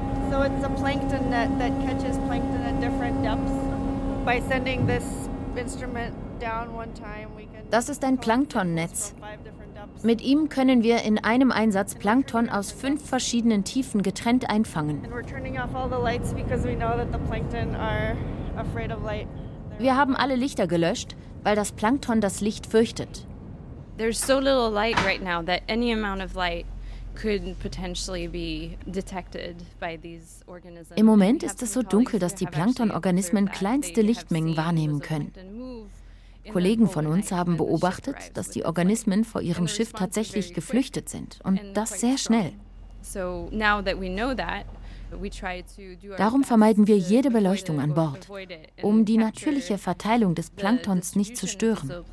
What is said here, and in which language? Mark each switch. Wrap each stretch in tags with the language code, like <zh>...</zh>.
<en>So it's a plankton net that catches plankton at different depths. By sending this instrument down one time, we can.</en> <de>Das ist ein Planktonnetz. Mit ihm können wir in einem Einsatz Plankton aus 5 verschiedenen Tiefen getrennt einfangen.</de> <en>And we're turning off all the lights because we know that the plankton are afraid of light.</en> <de>Wir haben alle Lichter gelöscht, weil das Plankton das Licht fürchtet.</de> <en>There's so little light right now that any amount of light could potentially be detected by these organisms.</en> <de>Im Moment ist es so dunkel, dass die Planktonorganismen kleinste Lichtmengen wahrnehmen können. Kollegen von uns haben beobachtet, dass die Organismen vor ihrem Schiff tatsächlich geflüchtet sind und das sehr schnell.</de> <en>So now that we know that,</en> <de>darum vermeiden wir jede Beleuchtung an Bord, um die natürliche Verteilung des Planktons nicht zu stören.</de>